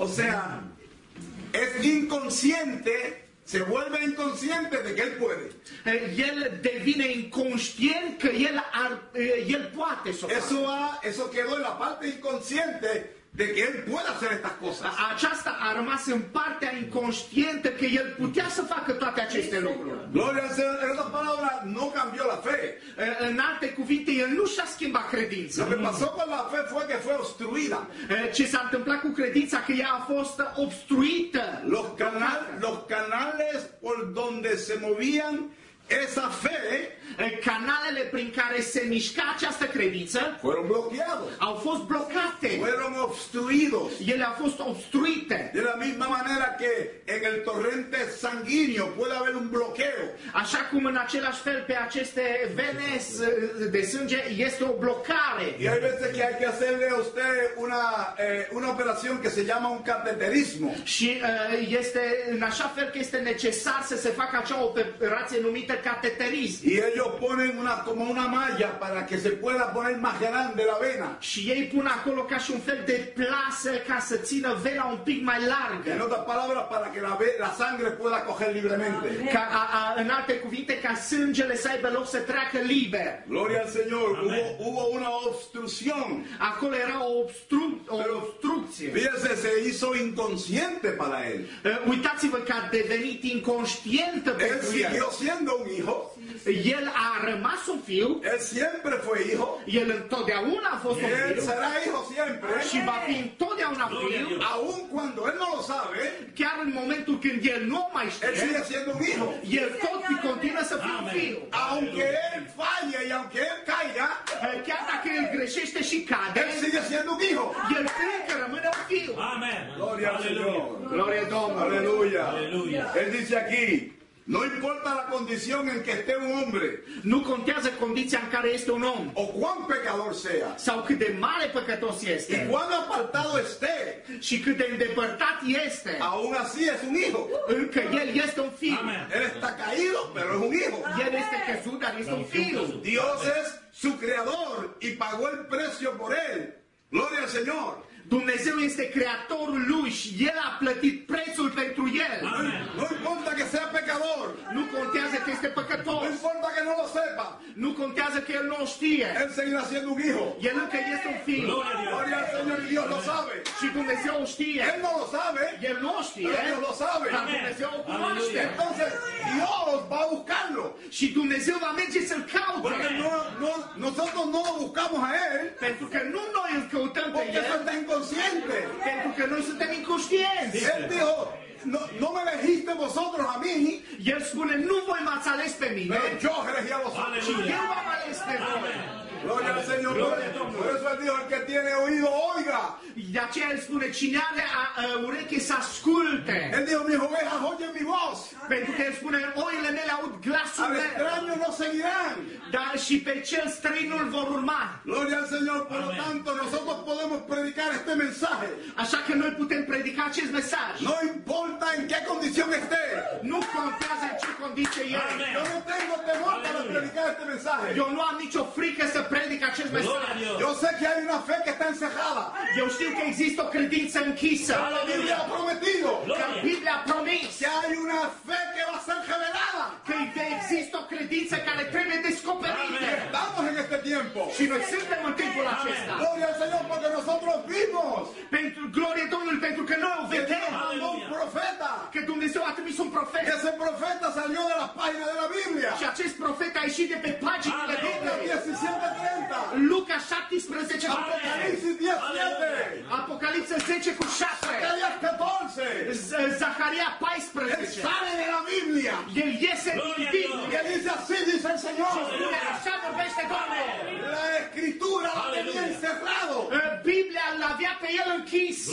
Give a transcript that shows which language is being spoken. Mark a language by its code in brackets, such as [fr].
[es] O sea, es inconsciente, se vuelve inconsciente de que él puede. [ro] El devine inconștient că el poate să o facă. [es] Eso quedó en la parte inconsciente de que él puede hacer estas cosas. [ro] Aceasta a rămas în partea inconștientă că el putea să facă toate aceste lucruri. [es] Gloria al Señor, en otras palabras, no cambió la fe. [ro] În alte cuvinte, el nu și-a schimbat credința. [es] Lo que pasó con la fe fue que fue obstruida. [ro] Ce s-a întâmplat cu credința, că ea a fost obstruită. [es] Los canales por donde se movían esa fe, [ro] canalele prin care se mișca această credință, [es] fueron bloqueados. [ro] Au fost blocate. [es] Fueron obstruidos. [ro] Ele au fost obstruite. [es] De la misma manera que en el torrente sanguíneo puede haber un bloqueo. [ro] Așa cum în același fel pe aceste vene de sânge este o blocare. [es] Y hay veces que hay que hacerle a usted una operación que se llama un cateterismo. [ro] Și este în așa fel că este necesar să se facă acea operație numită cateterism. [es] Y ellos ponen una como una malla para que se pueda poner más grande la vena. [ro] Și ei pun acolo ca și un fel de plasă ca să țină vena un pic mai largă. [es] En otras palabras, para que la sangre pueda coger libremente. [ro] În alte cuvinte, ca sângele să aibă loc să treacă liber. [es] Gloria al Señor. Hubo una obstrucción. [ro] Acolo era o obstrucție. [es] Fíjese, se hizo inconsciente para él. [ro] Uitați-vă că a devenit inconștientă pentru el. [es] Un hijo. [ro] El a rămas un fiu. [es] Él siempre fue hijo. [ro] El întotdeauna a fost un fiu. [es] Será hijo siempre. [ro] Și va fi întotdeauna fiu. [es] Aun cuando él no lo sabe. [ro] Chiar în momentul când el nu mai știe. [es] Él sigue siendo un hijo. [ro] El tot și continuă să fie un fiu. [es] Aunque él falle y aunque él caiga. [ro] Chiar dacă el greșește și cade. [es] Él sigue siendo un hijo. [ro] El încă rămâne un fiu. Amen. [es] Gloria al Señor. [ro] Gloria al Domnul. [es] Aleluia. Aleluia. Él dice aquí. No importa la condición en que esté un hombre. [ro] Nu contează condiția în care este un om. [es] O cuán pecador sea. [ro] Sau cât de mare păcătos este. [es] Y cuán apartado esté. [ro] Și cât de îndepărtat este. [es] Aún así es un hijo. [ro] Încă el este un fiu. Amen. [es] Él está caído, pero es un hijo. [ro] El este căzut, dar este un fiu. [es] Dios es su creador y pagó el precio por él. Gloria al Señor. [ro] Dumnezeu este creatorul lui și el a plătit prețul pentru el. [es] Nu importa că sea pecador. [ro] Nu contează că este păcătos. [es] Nu importa că nu lo sepa. [ro] Nu contează că el nu o știe. [es] El seguirá siendo un hijo. [ro] El încă este un fiu. [es] Gloria al Señor, Dios lo sabe. [ro] Și Dumnezeu o știe. [es] El no lo sabe. [ro] El nu o știe. [es] Dios lo sabe. [ro] Dar Dumnezeu o cunoaște. [es] Entonces, Dios va a buscarlo. [ro] Și Dumnezeu va merge să-l caute. [es] Porque nosotros no lo buscamos a él. [ro] Pentru că nu noi îl căutăm pe el. Pentru că noi suntem inconștienți. [es] El dijo, no me elegiste vosotros a mí. [ro] El spune, nu voi m-ați ales pe mine. [es] Pero yo elegí a vosotros. [ro] Și eu m-am ales pe [es] voi. Gloria al Señor. Por eso él dijo, el que tiene oído, oiga. [ro] De aceea el spune, cine are ureche să asculte. [es] El dijo, mis ovejas oyen mi voz. [ro] Pentru că el spune, oile mele aud glasul meu. [es] Al extraño no seguirán. [ro] Dar și pe cel străin nu-l vor urma. [es] Gloria al Señor. Por lo tanto, nosotros podemos predicar este mensaje. [ro] Așa că noi putem predica acest mesaj. [es] No importa en qué condición esté. [ro] Nu contează în ce condiție e. [es] Yo no tengo temor para predicar este mensaje. [ro] Eu nu am nicio frică să predic acest mesaj. [es] Yo sé que hay una fe que está encerrada. [ro] Eu știu că există o credință închisă. [es] La Biblia ha prometido. [ro] La Biblia a promis. [es] Que hay una fe que va a ser revelada. [ro] Que există o credință care trebuie descoperită. [es] Estamos en este tiempo. [ro] Și noi suntem în timpul acesta. [es] Gloria al Señor porque nosotros vimos. [ro] Pentru gloria Domnului, pentru că noi o vedem. [es] Profeta. [ro] Que Dumnezeu a trimis un profet. [es] Que ese profeta salió de las páginas de la Biblia. [ro] Și acest profet a ieșit de pe pagini de Biblia. Luca 17 cu 7. Apocalipsis 10:7. Apocalipsa 10 cu 7. Zaharia 14. Zaharia 14. [es] El sale de la Biblia. [ro] El iese din Biblia. [es] El dice así, dice el Señor. [ro] Așa vorbește Domnul. [es] La Escritura la tenía encerrado. [ro] Biblia l'avea pe el închis.